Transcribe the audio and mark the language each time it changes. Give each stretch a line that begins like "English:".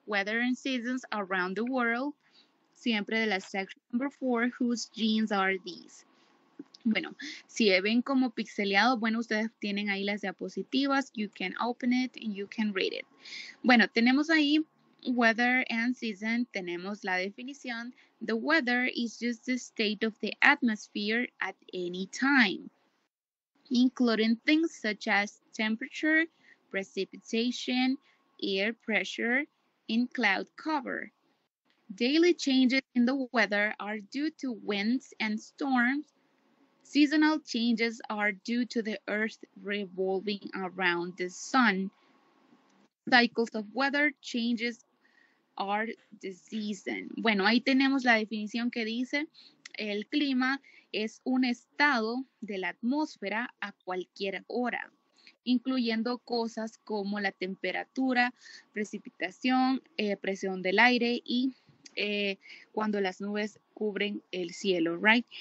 English: Weather and seasons around the world,
Spanish: siempre de la
English: section number 4, whose genes are these?
Spanish: Bueno, si ven como pixeleado, bueno, ustedes tienen ahí las diapositivas.
English: You can open it and you can read it.
Spanish: Bueno, tenemos ahí
English: weather and season.
Spanish: Tenemos la definición.
English: The weather is just the state of the atmosphere at any time, including things such as temperature, precipitation, air pressure, and cloud cover. Daily changes in the weather are due to winds and storms. Seasonal changes are due to the earth revolving around the sun. Cycles of weather changes are the season.
Spanish: Bueno, ahí tenemos la definición que dice, el clima es un estado de la atmósfera a cualquier hora, incluyendo cosas como la temperatura, precipitación, presión del aire y cuando las nubes cubren el cielo, right?